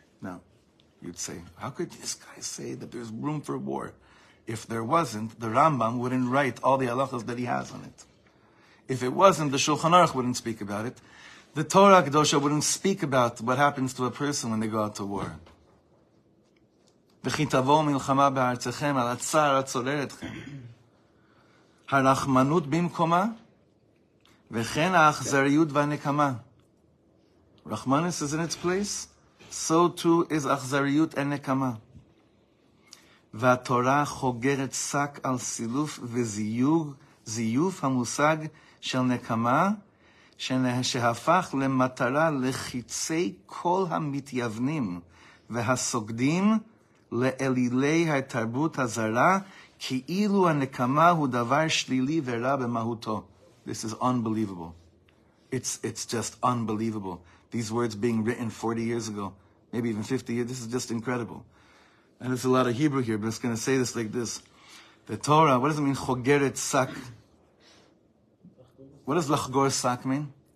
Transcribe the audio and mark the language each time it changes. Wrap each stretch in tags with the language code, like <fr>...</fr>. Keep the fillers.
<en>Now, you'd say, how could this guy say that there's room for war? If there wasn't, the Rambam wouldn't write all the halachas that he has on it. If it wasn't, the Shulchan Aruch wouldn't speak about it. The Torah Kedosha wouldn't speak about what happens to a person when they go out to war.</en> <he>וכי תבוא מלחמה בארצכם על הצער הצורר אתכם. הרחמנות במקומה, וכן האכזריות והנקמה.</he> <en>Rahmanis is in its place, so too is Achzariut and Nekama.</en> <he>והתורה חוגרת שק על סילוף וזיוף זיוף המושג של נקמה, שנ- שהפך למטרה לחיצי כל המתייוונים והסוגדים לאלילי התרבות הזרה, כאילו הנקמה הוא דבר שלילי ורע במהותו.</he> <en>This is unbelievable. It's it's just unbelievable. These words being written 40 years ago, maybe even 50 years. This is just incredible. And there's a lot of Hebrew here, but it's going to say this like this: The Torah. What does it mean? Chogeret sak. What does lachgor sak mean?</en>